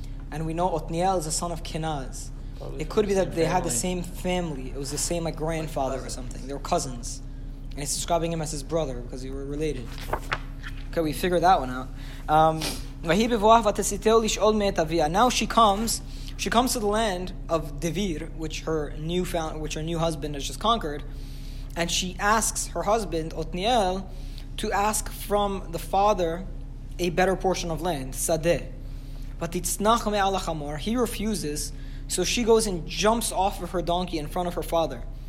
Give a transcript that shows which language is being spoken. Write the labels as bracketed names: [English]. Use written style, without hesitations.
[English] And we know Othniel is the son of Kenaz. It could be that they had the same family. It was the same like grandfather or something. They were cousins. And it's describing him as his brother because they were related. Okay, we figured that one out. [Hebrew] ויהי בבואה ותסיתהו לשאול מאת אביה. [English] Now she comes. She comes to the land of Devir, which her new husband has just conquered, and she asks her husband, Othniel, to ask from the father a better portion of land, Sadeh. But [Hebrew] Titznach me'al hachamor, [English] he refuses, so she goes and jumps off of her donkey in front of her father.